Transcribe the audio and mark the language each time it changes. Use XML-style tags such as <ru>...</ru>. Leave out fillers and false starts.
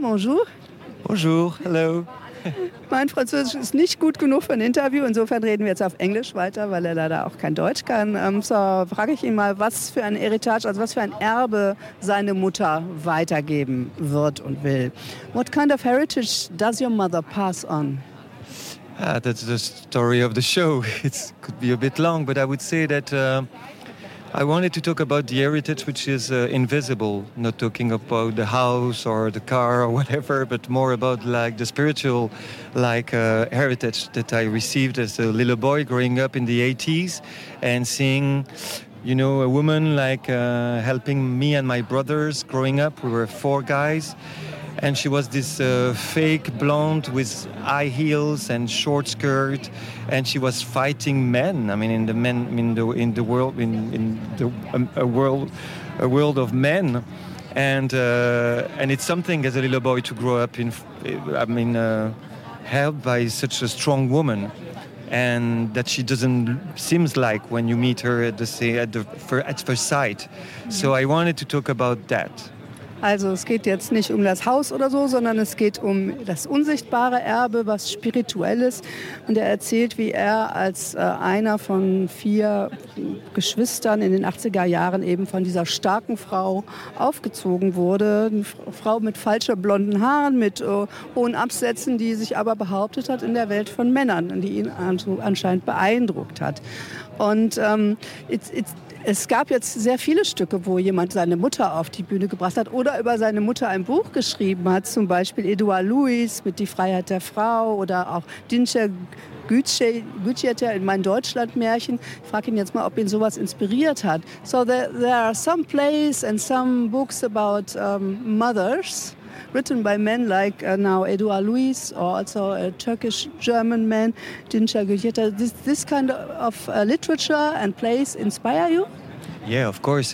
<fr>Bonjour. Bonjour, hallo.</fr> <de>Mein Französisch ist nicht gut genug für ein Interview. Insofern reden wir jetzt auf Englisch weiter, weil er leider auch kein Deutsch kann. So frage ich ihn mal, was für ein Heritage, also was für ein Erbe seine Mutter weitergeben wird und will.</de> <en>What kind of heritage does your mother pass on? That's the story of the show. It could be a bit long, but I would say that I wanted to talk about the heritage which is invisible, not talking about the house or the car or whatever, but more about like the spiritual heritage that I received as a little boy growing up in the 80s and seeing, you know, a woman like helping me and my brothers growing up. We were 4 guys and she was this fake blonde with high heels and short skirt. And she was fighting men. I mean, in the world of men. And it's something as a little boy to grow up in. I mean, helped by such a strong woman, and that she doesn't seems like when you meet her at first sight. Mm-hmm. So I wanted to talk about that.</en> <de>Also es geht jetzt nicht um das Haus oder so, sondern es geht um das unsichtbare Erbe, was Spirituelles. Und er erzählt, wie er als einer von 4 Geschwistern in den 80er Jahren eben von dieser starken Frau aufgezogen wurde. Eine Frau mit falschen blonden Haaren, mit hohen Absätzen, die sich aber behauptet hat in der Welt von Männern, die ihn anscheinend beeindruckt hat. Und es gab jetzt sehr viele Stücke, wo jemand seine Mutter auf die Bühne gebracht hat oder über seine Mutter ein Buch geschrieben hat, zum Beispiel Edouard Louis mit Die Freiheit der Frau oder auch Dinsche Gütschetter in Mein Deutschland-Märchen. Ich frage ihn jetzt mal, ob ihn sowas inspiriert hat.</de> <en>So there are some plays and some books about mothers written by men like now Edouard Louis or also a Turkish-German man, Dinsche Gütschetter. This kind of literature and plays inspire you? Yeah, of course.</en>